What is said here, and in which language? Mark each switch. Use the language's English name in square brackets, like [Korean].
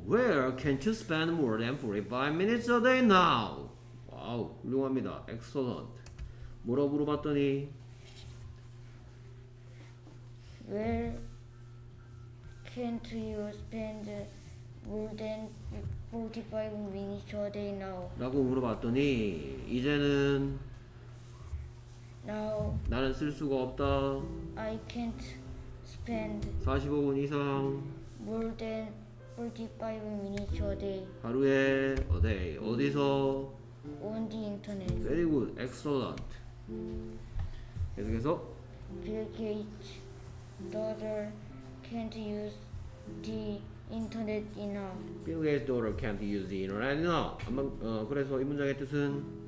[English] Where can't you spend more than 45 minutes a day now? [Korean] Wow, 훌륭합니다. [English] Excellent. [Korean] 뭐라고 물어봤더니? [English] Where can't you spend more than 45 minutes a day now? [Korean] 라고 물어봤더니 이제는 [English] now [Korean] 나는 쓸 수가 없다. [English] I can't spend [Korean] 45분 이상 [English] more than 45 minutes a day. [Korean] 하루에 [English] a day [Korean] 어디서? [English] On the internet. Very good. Excellent. [Korean] 계속해서 [English] Bill Gates daughter can't use the internet enough. Bill Gates daughter can't use the internet enough. [Korean] 아마, 그래서 이 문장의 뜻은